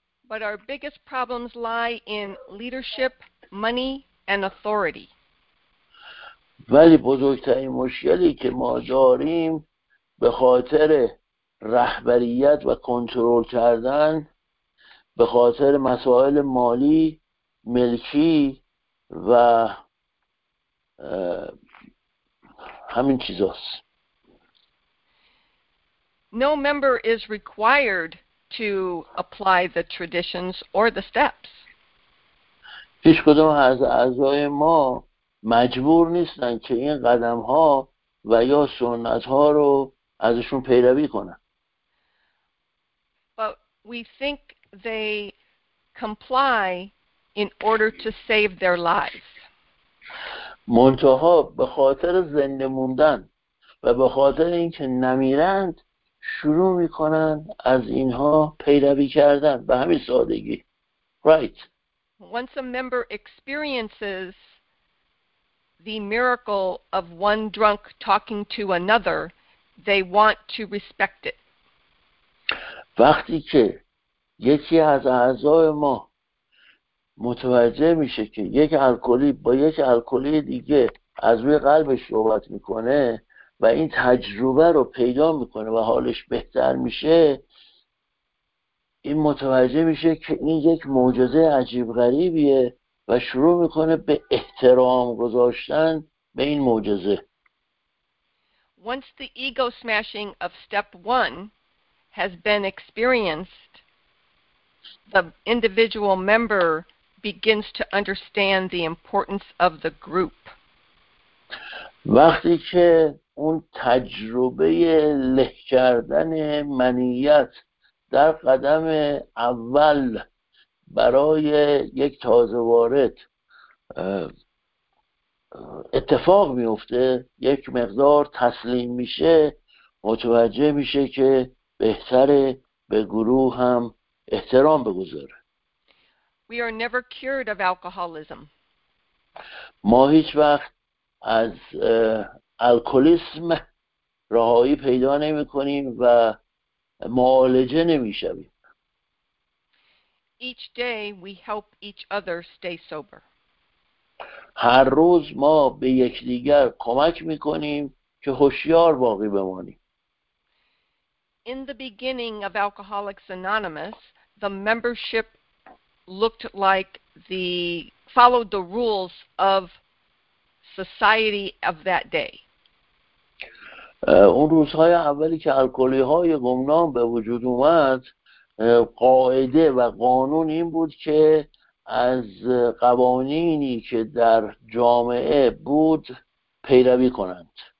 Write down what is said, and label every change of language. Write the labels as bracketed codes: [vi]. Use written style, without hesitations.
[en] But our biggest problems lie in leadership, money, and authority. [fa] ولی بزرگترین مشکلی که ما داریم به خاطر رهبریت و کنترل کردن به خاطر مسائل مالی ملکی و همین چیزاست. [en] No member is required to apply the traditions or the steps. [fa] هیچ کدوم از اعضای ما مجبور نیستن که این قدم ها و یا سنت ها رو ازشون پیروی کنن. [en] But we think they comply in order to save their lives. [fa] منتها به خاطر زنده موندن و به خاطر اینکه نمیرند شروع میکنن از اینها پیروی کردن به همین سادگی. [en] Right. Once a member experiences the miracle of one drunk talking to another, they want to respect it. [fa] وقتی که یکی از اعضای ما متوجه میشه که یک الکلی با یک الکلی دیگه از روی قلبش صحبت میکنه و این تجربه رو پیدا میکنه و حالش بهتر میشه، این متوجه میشه که این یک معجزه عجیب غریبیه و شروع میکنه به احترام گذاشتن به این معجزه. [en] Once the ego smashing of step one has been experienced, the individual member begins to understand the importance of the group. [fa] وقتی که اون تجربه له کردن منیت در قدم اول برای یک تازه وارد اتفاق میفته، یک مقدار تسلیم میشه، متوجه میشه که بهتره به گروه هم احترام بگذاره. [en] We are never cured of alcoholism. [fa] ما هیچ وقت از الکلیسم رهایی پیدا نمی کنیم و معالجه نمی شویم. [en] Each day we help each other stay sober. [fa] هر روز ما به یکدیگر کمک می کنیم که هوشیار باقی بمانیم. [en] In the beginning of Alcoholics Anonymous, the membership looked like the followed the rules of society of that day. [fa] اون روزهای اولی که الکلی‌های گمنام به وجود اومد، قاعده و قانون این بود که از قوانینی که در جامعه بود پیروی کنند.